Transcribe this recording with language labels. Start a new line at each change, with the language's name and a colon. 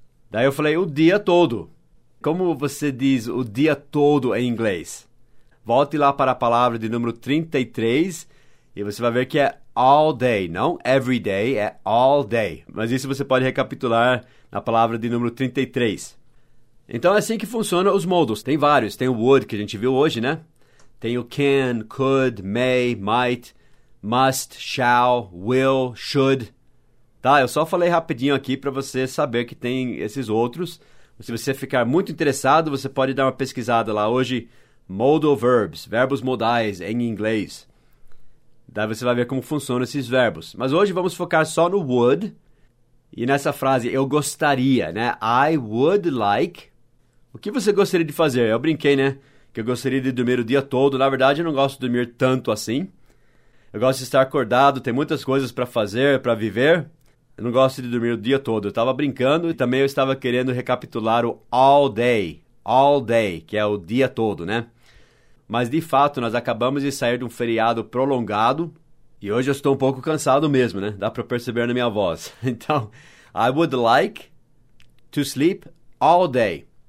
Portuguese: Daí eu falei, o dia todo. Como você diz o dia todo em inglês? Volte lá para a palavra de número 33 e você vai ver que é all day, não every day, é all day. Mas isso você pode recapitular na palavra de número 33. Então é assim que funciona os modos. Tem vários, tem o would que a gente viu hoje, né? Tem o can, could, may, might, must, shall, will, should. Tá, eu só falei rapidinho aqui para você saber que tem esses outros. Se você ficar muito interessado, você pode dar uma pesquisada lá hoje. Modal verbs, verbos modais em inglês. Daí você vai ver como funcionam esses verbos. Mas hoje vamos focar só no would. E nessa frase, eu gostaria, né? I would like. O que você gostaria de fazer? Eu brinquei, né? Que eu gostaria de dormir o dia todo. Na verdade, eu não gosto de dormir tanto assim. Eu gosto de estar acordado, tem muitas coisas para fazer, para viver. Eu não gosto de dormir o dia todo. Eu estava brincando e também eu estava querendo recapitular o all day. All day, que é o dia todo, né? Mas, de fato, nós acabamos de sair de um feriado prolongado e hoje eu estou um pouco cansado mesmo, né? Dá para perceber na minha voz.
English: Então, I would like to sleep all day.